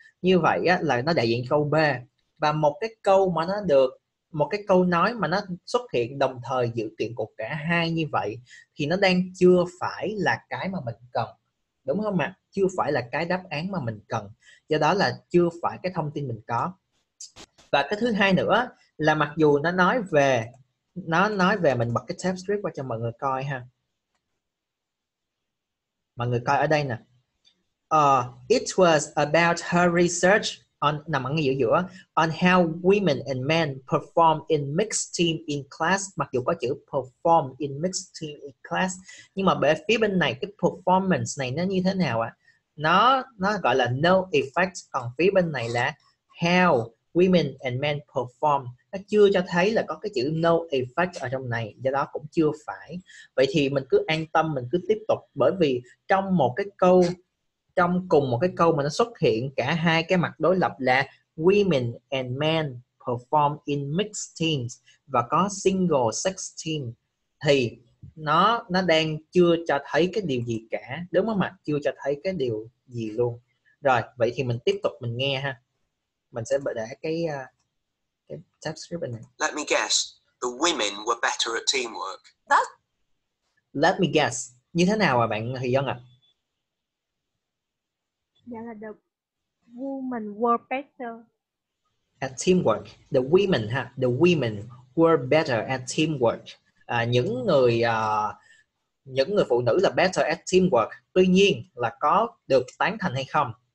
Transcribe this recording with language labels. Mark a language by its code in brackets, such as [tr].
[vi] Như vậy á, là nó đại diện câu B. Và một cái câu mà nó được, một cái câu nói mà nó xuất hiện đồng thời dự kiện của cả hai như vậy thì nó đang chưa phải là cái mà mình cần. Đúng không ạ? Chưa phải là cái đáp án mà mình cần. Do đó là chưa phải cái thông tin mình có. Và cái thứ hai nữa là mặc dù nó nói về, nó nói về, mình bật cái tab script qua cho mọi người coi ha. Mọi người coi ở đây nè. [en] It was about her research on, [vi] nằm ở ngay giữa, [en] on how women and men perform in mixed team in class. [vi] Mặc dù có chữ [en] perform in mixed team in class, [vi] nhưng mà bởi phía bên này cái performance này nó như thế nào ạ? Nó gọi là [en] no effect. [vi] Còn phía bên này là [en] how women and men perform. [vi] Nó chưa cho thấy là có cái chữ [en] no effect [vi] ở trong này, do đó cũng chưa phải. Vậy thì mình cứ an tâm, mình cứ tiếp tục. Bởi vì trong một cái câu, trong cùng một cái câu mà nó xuất hiện cả hai cái mặt đối lập là [en] women and men perform in mixed teams [vi] và có [en] single sex team, [vi] thì nó đang chưa cho thấy cái điều gì cả. Đúng không ạ? Chưa cho thấy cái điều gì luôn. Rồi, vậy thì mình tiếp tục mình nghe ha. Mình sẽ để cái tab script này. [en] Let me guess, the women were better at teamwork. That? Let me guess. [vi] Như thế nào à bạn Thùy Dân ạ? Dạ là [en] the women were better at teamwork. The women ha, the women were better at teamwork. [vi] À, những người phụ nữ là [en] better at teamwork. [vi] Tuy nhiên là có được tán thành hay không?